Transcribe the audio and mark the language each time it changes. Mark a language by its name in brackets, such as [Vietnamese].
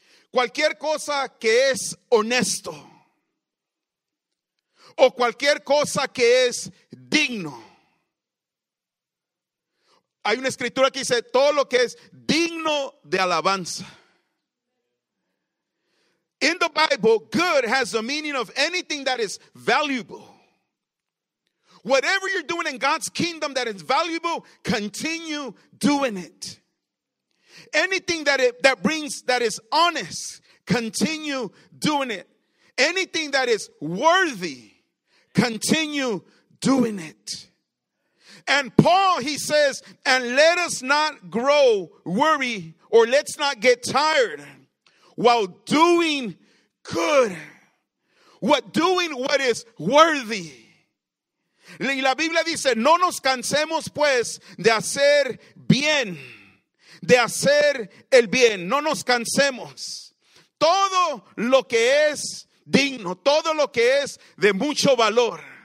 [Spanish] Cualquier cosa que es honesto. O cualquier cosa que es digno. Hay una escritura que dice todo lo que es digno de alabanza. [English] In the Bible, good has the meaning of anything that is valuable. Whatever you're doing in God's kingdom that is valuable, continue doing it. Anything that is honest, continue doing it. Anything that is worthy, continue doing it. And Paul, he says, and let us not grow weary, or let's not get tired while doing good. What doing what is worthy. [Spanish] Y la Biblia dice, no nos cansemos pues de hacer bien. De hacer el bien. No nos cansemos. Todo lo que es digno. Todo lo que es de mucho valor.